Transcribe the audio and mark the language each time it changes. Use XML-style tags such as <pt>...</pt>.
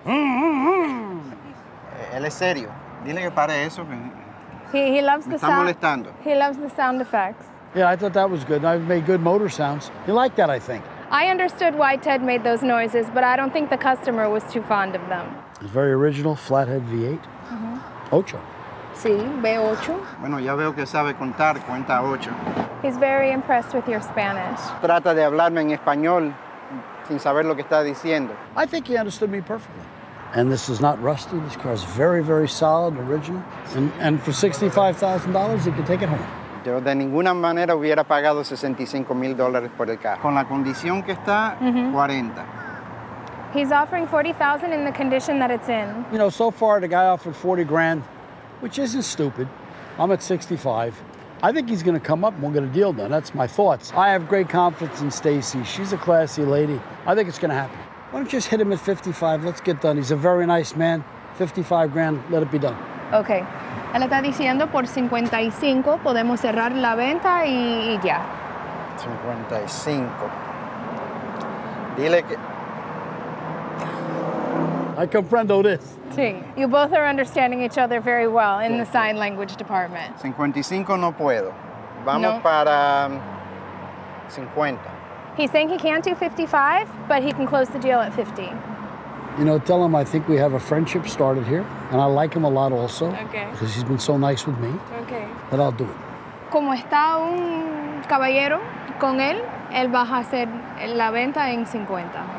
<es>Él es serio. Dile que pare eso.</es> <en>He loves the</en> <es>sound. Me está molestando.</es> <en>He loves the sound effects. Yeah, I thought that was good. I've made good motor sounds. You like that, I think. I understood why Ted made those noises, but I don't think the customer was too fond of them. It's very original, flathead V8. Mm-hmm.</en> <es>Ocho. Sí, V8. Bueno, ya veo que sabe contar, cuenta ocho.</es> <en>He's very impressed with your Spanish.</en> <es>Trata de hablarme en español sin saber lo que está diciendo.</es> <en>I think he understood me perfectly. And this is not rusty. This car is very, very solid, original. And for $65,000, you can take it home.</en> <es>Yo de ninguna manera hubiera pagado $65,000 por el carro. Con la condición que está, mm-hmm. 40.</es> <en>He's offering 40,000 in the condition that it's in. You know, so far the guy offered 40 grand, which isn't stupid. I'm at 65. I think he's gonna come up and we'll get a deal done. That's my thoughts. I have great confidence in Stacy. She's a classy lady. I think it's gonna happen. Why don't you just hit him at 55? Let's get done. He's a very nice man. 55 grand, let it be done. Okay.</en> <es>Él está diciendo por 55 podemos cerrar la venta y ya. 55. Dile que.</es> <en>I comprendo this.</en> <es>Sí.</es> <en>You both are understanding each other very well in the sign language department.</en> <es>55 no puedo. Vamos no. Para 50.</es> <en>He's saying he can't do 55, but he can close the deal at 50. You know, tell him I think we have a friendship started here, and I like him a lot also. Okay. Because he's been so nice with me. Okay. But I'll do it.</en> <es>Como está un caballero con él, él va a hacer la venta en 50.</es>